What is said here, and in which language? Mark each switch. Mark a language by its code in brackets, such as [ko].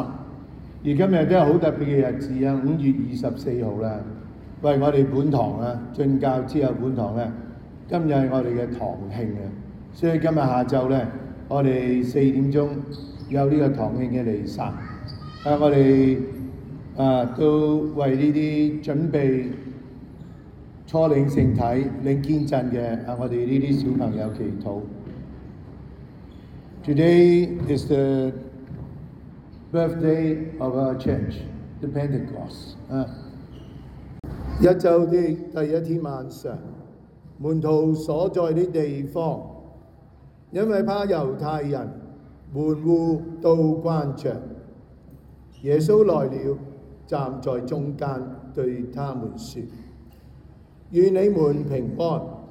[zh] 而今天也是很特别的日子，5月24日，为我们本堂进教之后，本堂今天是我们的堂庆，所以今天下午我们4点有这个堂庆的弥撒。我们都为这些准备初领圣体领见证的我们这些小朋友祈祷。 [en] Today is the birthday of our church, the Pentecost. [zh] 一周的第一天晚上，门徒所在的地方，因为怕犹太人门户都关着，耶稣来了，站在中间对他们说，愿你们平安。